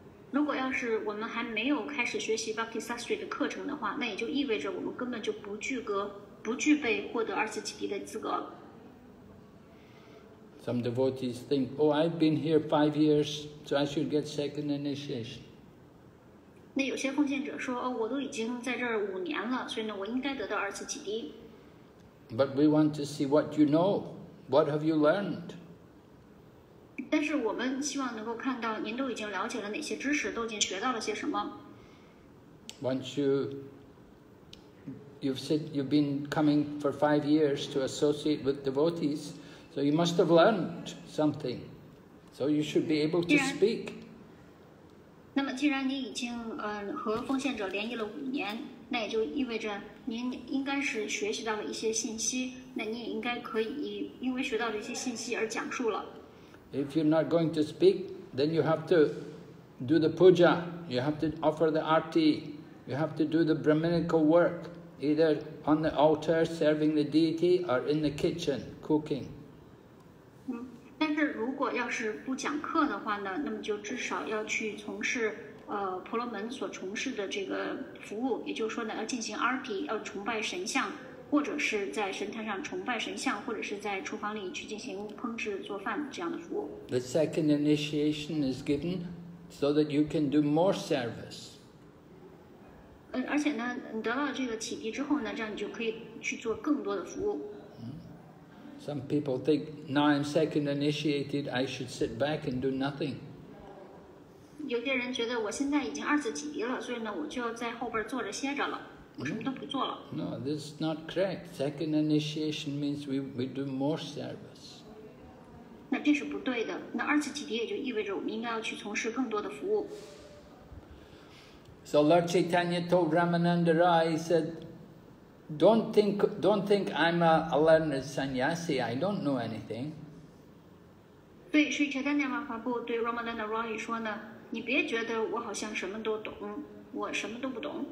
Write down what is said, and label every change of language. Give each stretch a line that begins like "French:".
Chinese: 如果要是我们还没有开始学习 Bhakti Sastri 的课程的话，那也就意味着我们根本就不具备获得二次启迪的资格了。
English: Some devotees think, oh, I've been here 5 years, so I should get second initiation.
Chinese: 那有些奉献者说，哦，我都已经在这儿5年了，所以呢，我应该得到二次启迪。
English: But we want to see what you know, what have you learned?
Chinese: 但是我们希望能够看到您都已经了解了哪些知识，都已经学到了些什么。
English: Once you've said you've been coming for 5 years to associate with devotees, so you must have learned something, so you should be able to speak.
Chinese: 那么既然您已经和奉献者联谊了5年，那也就意味着您应该是学习到了一些信息，那你也应该可以因为学到了一些信息而讲述了。
English: If you're not going to speak, then you have to do the puja, you have to offer the arti, you have to do the brahminical work, either on the altar serving the deity or in the kitchen cooking.
Chinese: 但是如果要是不讲课的话呢，那么就至少要去从事婆罗门所从事的这个服务，也就是说呢，要进行arti，要崇拜神像，或者是在神坛上崇拜神像，或者是在厨房里去进行烹制做饭这样的服务。
English: The second initiation is given so that you can do more service.
Chinese: 而且呢，你得到这个启迪之后呢，这样你就可以去做更多的服务。
English: Some people think, now I'm second initiated, I should sit back and do nothing.
Chinese: 有些人觉得我现在已经二次启迪了，所以呢，我就要在后边坐着歇着了。
English: No, this is not correct. Second initiation means we do more service.
Chinese: 那这是不对的。那二次启迪也就意味着我们应该要去从事更多的服务。
English: So Lord Chaitanya told Ramananda Rai, he said, don't think I'm a learned sannyasi. I don't know anything.
Chinese: 对，所以 Chaitanya Mahaprabhu 对 Ramananda Rai 说呢，你别觉得我好像什么都懂。我什么都不懂。